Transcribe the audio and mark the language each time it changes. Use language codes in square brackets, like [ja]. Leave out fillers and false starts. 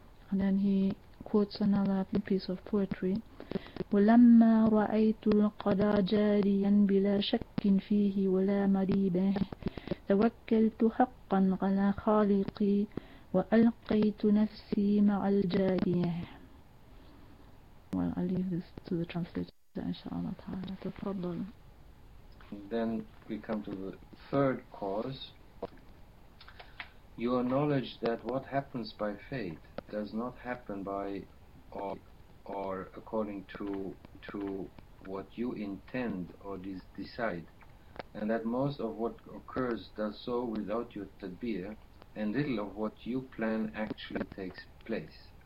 [en] And then he quotes another piece of poetry. [ar] ولما رأيت القضاء جاريا بلا شك فيه ولا مريبه توكلت حقا على خالقي وألقيت نفسي مع الجارية. [en] Well, I'll leave this to the translator, inshallah ta'ala. [ar] تفضل. [en] Then we come to the third cause. Your knowledge that what happens by fate does not happen by or according to what you intend or decide, and that most of what occurs does so without your tadbir, and little of what you plan actually takes place.